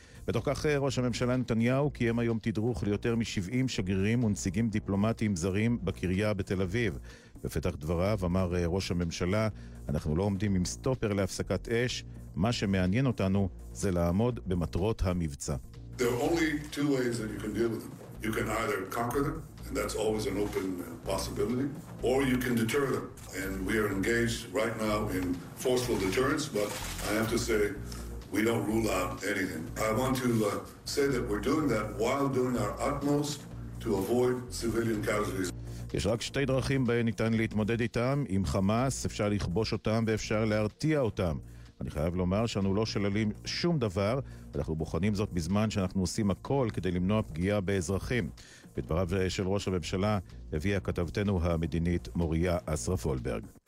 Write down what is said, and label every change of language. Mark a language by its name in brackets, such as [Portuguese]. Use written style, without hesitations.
[Hebrew] בתוך כך ראש הממשלה נתניהו קיים היום תדרוך ליותר מ-70 שגרירים ונציגים דיפלומטיים זרים בקריה בתל אביב. בפתח דבריו אמר ראש הממשלה, אנחנו לא עומדים עם סטופר להפסקת אש, מה שמעניין אותנו זה לעמוד במטרות המבצע. [English] There are only two ways that you can deal with them. You can either conquer them, and that's always an open possibility, or you can deter them. And we are engaged right now in forceful deterrence, but I have to say, we don't rule out anything. I want to say that we're doing that while doing our utmost to avoid civilian casualties. [Hebrew] יש רק שתי דרכים בהן ניתן להתמודד איתם. עם חמאס אפשר לכבוש אותם ואפשר להרתיע אותם. אני חייב לומר שאנו לא שוללים שום דבר, אנחנו בוחנים זאת בזמן שאנחנו עושים הכל כדי למנוע פגיעה באזרחים. בדבריו של ראש הממשלה הביאה כתבתנו המדינית מוריה אסרף וולברג.